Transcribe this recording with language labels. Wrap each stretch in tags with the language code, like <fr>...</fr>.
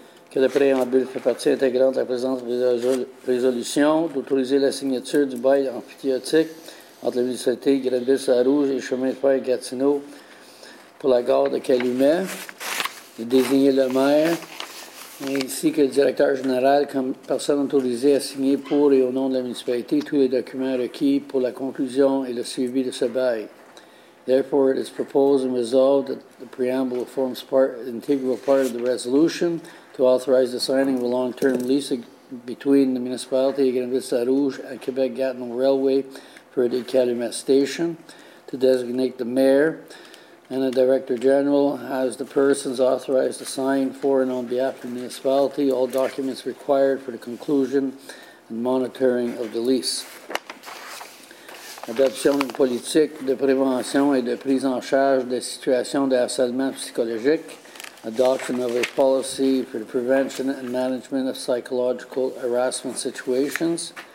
<fr>Que le préambule fait partie intégrante de la présente résolution d'autoriser la signature du bail amphithéotique entre la municipalité Grenville-Sarrouge et Chemin de fer Gatineau pour la gare de Calumet, de désigner le maire, ainsi que le directeur général comme personne autorisée à signer pour et au nom de la municipalité tous les documents requis pour la conclusion et le suivi de ce bail.</fr> <en>Therefore, it is proposed and resolved that the preamble forms part, integral part of the resolution to authorize the signing of a long-term lease between the municipality of Grenville-Sarrouge and Quebec-Gatineau Railway for the Calumet Station, to designate the mayor and the director general as the persons authorized to sign for and on behalf of the municipality all documents required for the conclusion and monitoring of the lease.</en> <fr>Adoption d'une politique de prévention et de prise en charge des situations de harcèlement psychologique.</fr> <en>Adoption of a policy for the prevention and management of psychological harassment situations.</en>